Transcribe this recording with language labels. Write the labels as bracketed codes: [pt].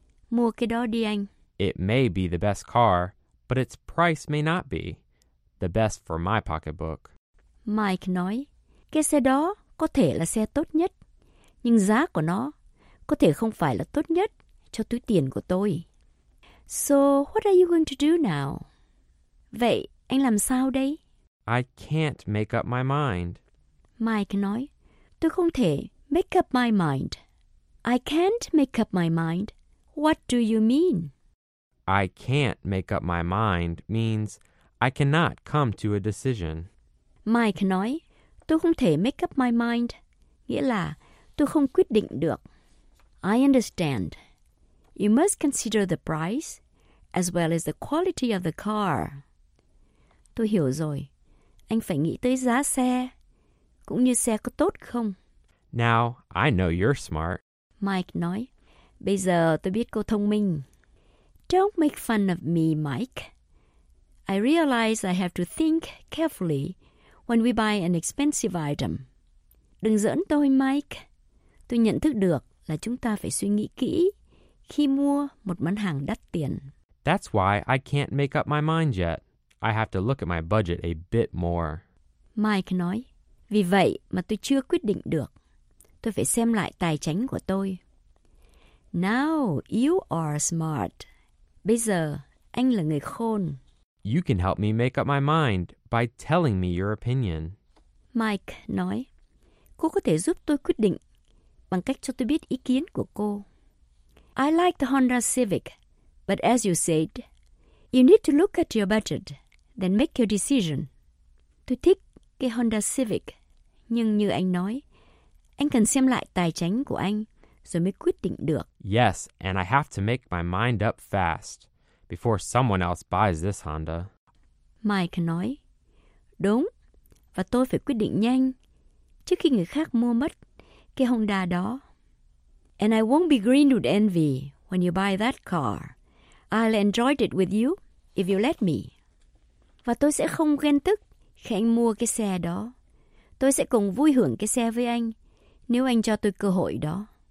[vi] Mua cái đó đi anh. [en] It may be the best car, but its price may not be the best for my pocketbook. [vi] Mike nói, cái xe đó có thể là xe tốt nhất, nhưng giá của nó có thể không phải là tốt nhất cho túi tiền của tôi. [en] So, what are you going to do now? [vi] Vậy, anh làm sao đây? [en] I can't make up my mind. [vi] Mike nói, tôi không thể [en] make up my mind. I can't make up my mind. What do you mean? I can't make up my mind means I cannot come to a decision. [vi] Mike nói, tôi không thể [en] make up my mind, [vi] nghĩa là tôi không quyết định được. [en] I understand. You must consider the price as well as the quality of the car. [vi] Tôi hiểu rồi. Anh phải nghĩ tới giá xe, cũng như xe có tốt không. [en] Now, I know you're smart. [vi] Mike nói, bây giờ tôi biết cô thông minh. [en] Don't make fun of me, Mike. I realize I have to think carefully when we buy an expensive item. [vi] Đừng giỡn tôi, Mike. Tôi nhận thức được là chúng ta phải suy nghĩ kỹ khi mua một món hàng đắt tiền. [en] That's why I can't make up my mind yet. I have to look at my budget a bit more. [vi] Mike nói, vì vậy mà tôi chưa quyết định được. Tôi phải xem lại tài chính của tôi. [en] Now you are smart. [vi] Bây giờ, anh là người khôn. [en] You can help me make up my mind by telling me your opinion. [vi] Mike nói, cô có thể giúp tôi quyết định bằng cách cho tôi biết ý kiến của cô. [en] I like the Honda Civic, but as you said, you need to look at your budget, then make your decision. [vi] Tôi thích cái Honda Civic, nhưng như anh nói, anh cần xem lại tài chính của anh rồi mới quyết định được. [en] Yes, and I have to make my mind up fast before someone else buys this Honda. [vi] Mike nói, đúng, và tôi phải quyết định nhanh trước khi người khác mua mất cái Honda đó. [en] And I won't be green with envy when you buy that car. I'll enjoy it with you if you let me. [vi] Và tôi sẽ không ghen tức khi anh mua cái xe đó. Tôi sẽ cùng vui hưởng cái xe với anh nếu anh cho tôi cơ hội đó.